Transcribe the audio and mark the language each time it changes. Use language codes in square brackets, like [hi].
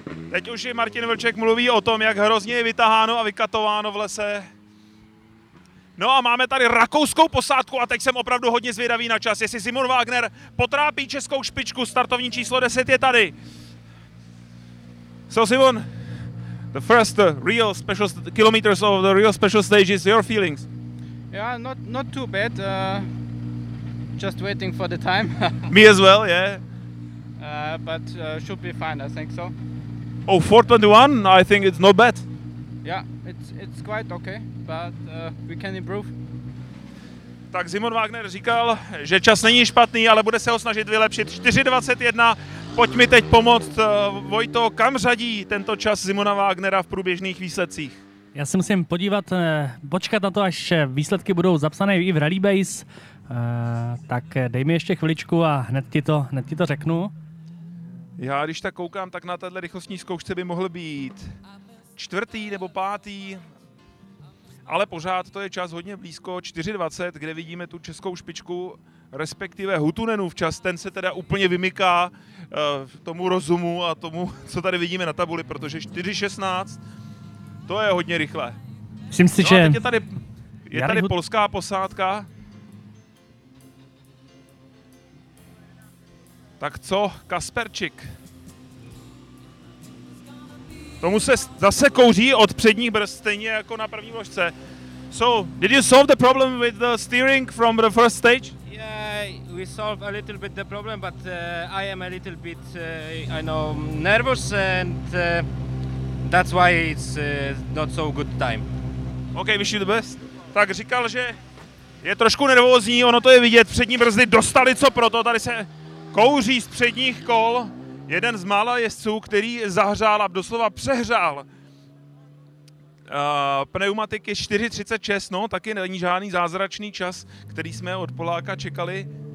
[cs] Teď už i Martin Vlček mluví o tom, jak hrozně je vytaháno a vykatováno v lese. No a máme tady rakouskou posádku a teď jsem opravdu hodně zvědavý na čas. Jestli Simon Wagner potrápí českou špičku, startovní číslo 10 je tady. [en] So Simon, the first real special kilometers of the real special stage is your feelings. Yeah, not too bad. Just waiting for the time. Me as well, yeah. But should be fine, I think so. Oh, 4.21? I think it's not bad. Yeah, it's quite okay, but we can improve. [cs] Tak Simon Wagner říkal, že čas není špatný, ale bude se ho snažit vylepšit. 4.21, pojď mi teď pomoct. Vojto, kam řadí tento čas Simona Wagnera v průběžných výsledcích? Já si musím podívat, počkat na to, až výsledky budou zapsané i v Rallybase, tak dej mi ještě chviličku a hned ti to řeknu. Já když tak koukám, tak na této rychlostní zkoušce by mohl být čtvrtý nebo pátý, ale pořád to je čas hodně blízko, 4.20, kde vidíme tu českou špičku, respektive Hutunenův čas, ten se teda úplně vymyká tomu rozumu a tomu, co tady vidíme na tabuli, protože 4.16, to je hodně rychle. Myslím si, no, že... Teď je tady polská posádka. Tak co, Kasperčik? Tomu se zase kouří od předních brzd, stejně jako na první vložce. [en] So, did you solve the problem with the steering from the first stage? Yeah, we solve a little bit the problem, but I am a little bit, I know, nervous, and that's why it's not so good time. Okay, wish you the best. [cs] Tak říkal, že je trošku nervózní, ono to je vidět, přední brzdy dostali co proto, tady se kouří z předních kol. Jeden z mála jezdců, který zahřál a doslova přehřál pneumatiky 4.36, no, taky není žádný zázračný čas, který jsme od Poláka čekali.